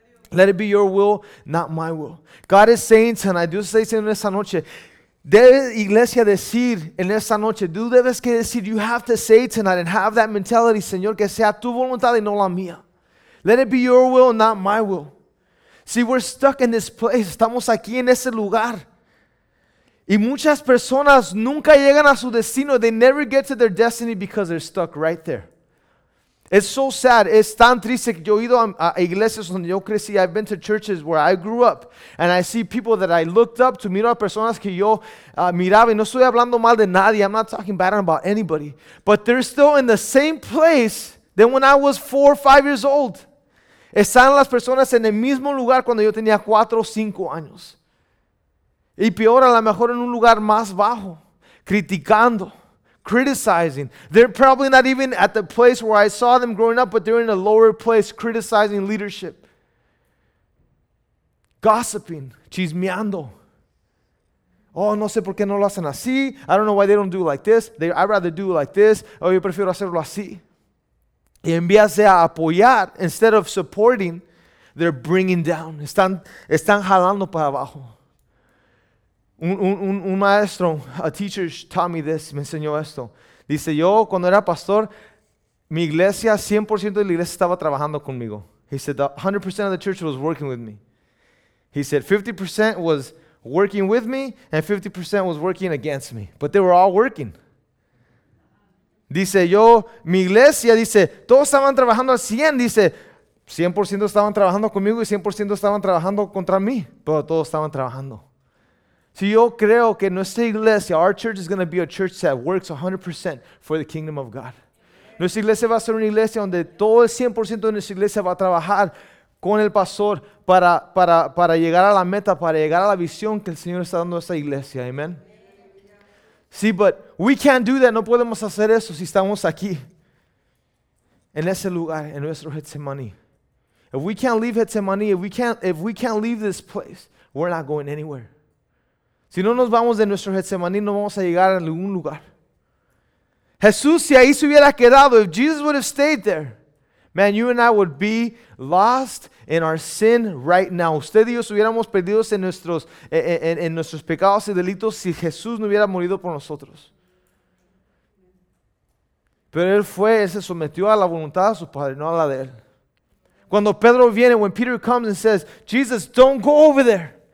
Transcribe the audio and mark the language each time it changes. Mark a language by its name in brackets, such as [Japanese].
[English] Let it be your will, not my will. God is saying tonight, [Spanish] Dios está diciendo en esta noche, debe iglesia decir en esta noche, tú debes que decir, [English] you have to say tonight and have that mentality, [Spanish] Señor, que sea tu voluntad y no la mía. [English] Let it be your will, not my will. See, we're stuck in this place, [Spanish] estamos aquí en ese lugar. Y muchas personas nunca llegan a su destino. [English] They never get to their destiny because they're stuck right there. It's so sad. [Spanish] Es tan triste que yo he ido a iglesias donde yo crecí. [English] I've been to churches where I grew up. And I see people that I looked up to. [Spanish] Miro a personas que yo miraba. Y no estoy hablando mal de nadie. [English] I'm not talking bad about anybody. But they're still in the same place than when I was 4 or 5 years old. [Spanish] Están las personas en el mismo lugar cuando yo tenía 4 o 5 años. Y peor, a lo mejor en un lugar más bajo, criticando, [English] criticizing. They're probably not even at the place where I saw them growing up, but they're in a lower place, criticizing leadership. Gossiping, [Spanish] chismeando. Oh, no sé por qué no lo hacen así. [English] I don't know why they don't do it like this. I'd rather do it like this. [Spanish] Oh, yo prefiero hacerlo así. Y en vez de apoyar, [English] instead of supporting, they're bringing down. [Spanish] Están jalando para abajo. Un maestro, [English] a teacher taught me this, [Spanish] me enseñó esto. Dice, yo cuando era pastor, mi iglesia, 100% de la iglesia estaba trabajando conmigo. [English] He said, 100% of the church was working with me. He said, 50% was working with me and 50% was working against me. But they were all working. [Spanish] Dice, yo, mi iglesia, dice, todos estaban trabajando al 100. Dice, 100% estaban trabajando conmigo y 100% estaban trabajando contra mí. Pero todos estaban trabajando. Si yo creo que nuestra iglesia, [English] our church is going to be a church that works 100% for the kingdom of God. [Spanish] Nuestra iglesia va a ser una iglesia donde todo el 100% de nuestra iglesia va a trabajar con el pastor para llegar a la meta, para llegar a la visión que el Señor está dando a esta iglesia. Amen. [English] See, but we can't do that. [Spanish] No podemos hacer eso si estamos aquí. En ese lugar, en nuestro Getsemaní. [English] If we can't leave Getsemaní, if we can't leave this place, we're not going anywhere. [Spanish] Si no nos vamos de nuestro Getsemaní, no vamos a llegar a ningún lugar. Jesús, si ahí se hubiera quedado, [English] if Jesus would have stayed there, man, you and I would be lost in our sin right now. [Spanish] Usted y yo hubiéramos perdidos en nuestros pecados y delitos si Jesús no hubiera morido por nosotros. Pero Él fue, Él se sometió a la voluntad de su Padre, no a la de Él. Cuando Pedro viene, [English] when Peter comes and says, Jesus, don't go over there.